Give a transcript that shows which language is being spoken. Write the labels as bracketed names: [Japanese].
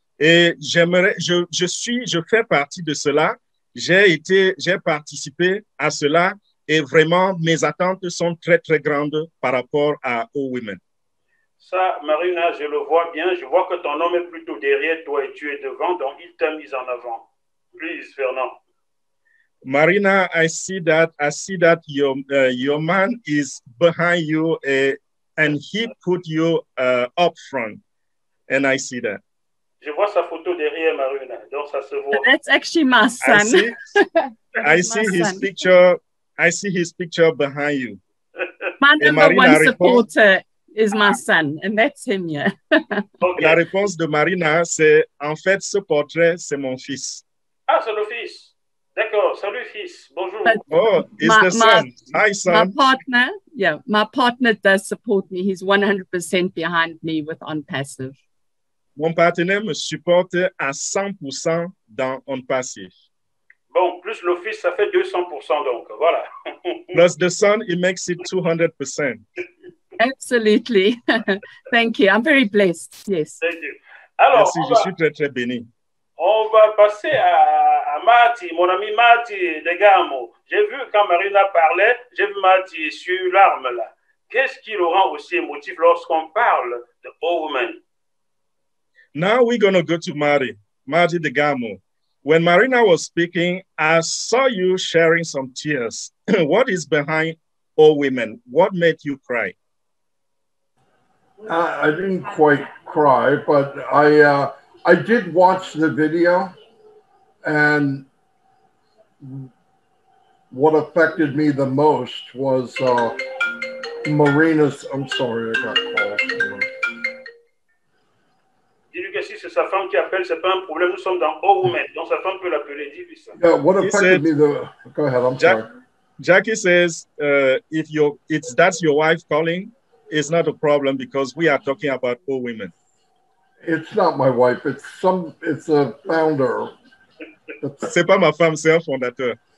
[French] Et je fais partie de cela. J'ai participé à cela et vraiment mes attentes sont très très grandes par rapport à O Women. Ça, Marina, je le vois bien. Je vois que ton homme est plutôt derrière toi et tu es devant, donc il t'a mis en avant. [English] Please, Fernand. Marina, I see that your man is behind you and he put you up front, and I see that. [French] Je vois sa photo derrière, Marina, donc ça se voit. [English] That's actually my son. I see his picture behind you. My number Marina, one supporter is my son, and that's him, yeah. [French] Okay. La réponse de Marina, c'est en fait ce portrait, c'est mon fils. Ah, c'est le fils. D'accord. Salut, fils. Bonjour. [English] Hi, son. My partner does support me. He's 100% behind me with On Passive. [French] Mon partenaire me supporte à 100% dans On Passive. Bon, plus le fils, ça fait 200%, donc, voilà. [English] Plus the son, it makes it 200%. Absolutely. Thank you. I'm very blessed. Yes. Thank you. Alors, [French] merci, je suis très, très béni. On va passer à Marty, mon ami Marty de Gamo. J'ai vu quand Marina parlait, j'ai vu Marty sur une larme, là. Qu'est-ce qui le rend aussi émotif lorsqu'on parle de O Women? [English] Now we're going to go to Marty de Gamo. When Marina was speaking, I saw you sharing some tears. What is behind O Women? What made you cry? I didn't quite cry, but I did watch the video, and what affected me the most was Marina's. I'm sorry, I got called. [French] Dis-lui que si c'est sa femme qui appelle, c'est pas un problème. Nous sommes dans Orumet, donc sa femme peut l'appeler. Dis-lui ça. [English] Yeah, what affected me the? Go ahead. I'm sorry. Jackie says, "If you, it's that's your wife calling, it's not a problem because we are talking about all women." It's not my wife. It's some. It's a founder. [French] C'est pas ma femme, c'est un fondateur.